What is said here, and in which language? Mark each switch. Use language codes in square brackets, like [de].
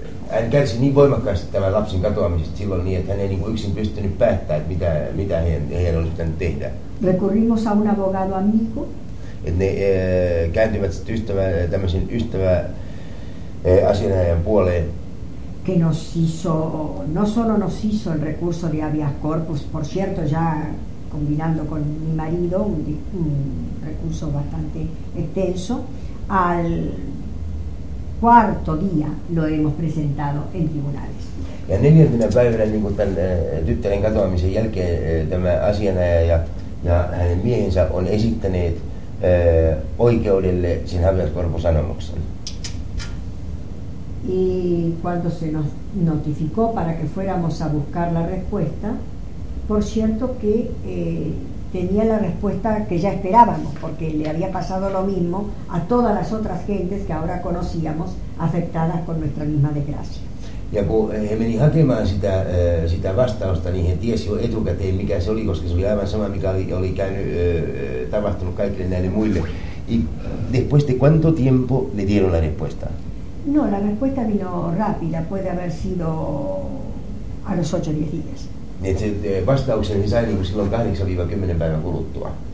[fi] Hän kärsi niin voimakkaasti tämän lapsen katoamisesta silloin niin, että hän ei yksin pystynyt päättämään, että mitä heidän olisi pitänyt tehdä. [es] Recurrimos a un abogado amigo. [fi] Ne kääntyivät sitten tämmöisen ystävä asianajan puoleen. [es] Que nos hizo, no solo nos hizo el recurso de habeas corpus, por cierto, ya combinando con mi marido, un recurso bastante extenso, al cuarto día lo hemos presentado en tribunales. [fi] Ja neljäntenä päivänä, niin kuin tämän tyttären katoamisen jälkeen, tämä asianajaja ja hänen miehensä on esittäneet oikeudelle sen habeas corpus -anomuksen. [es] Y cuando se nos notificó para que fuéramos a buscar la respuesta, por cierto que tenía la respuesta que ya esperábamos, porque le había pasado lo mismo a todas las otras gentes que ahora conocíamos afectadas por nuestra misma desgracia. [fi] Ja kun he meni hakemaan sitä, sitä vastausta, niin he tiesi jo etukäteen, mikä se oli, koska se oli aivan sama, mikä oli, oli käynyt, tapahtunut kaikille näille muille. [es] Y después de cuánto tiempo le dieron la respuesta? No, la respuesta vino rápida, puede haber sido a los 8-10 días. [fi] Et se vastauksen he sai niin silloin 8-10 päivän kuluttua.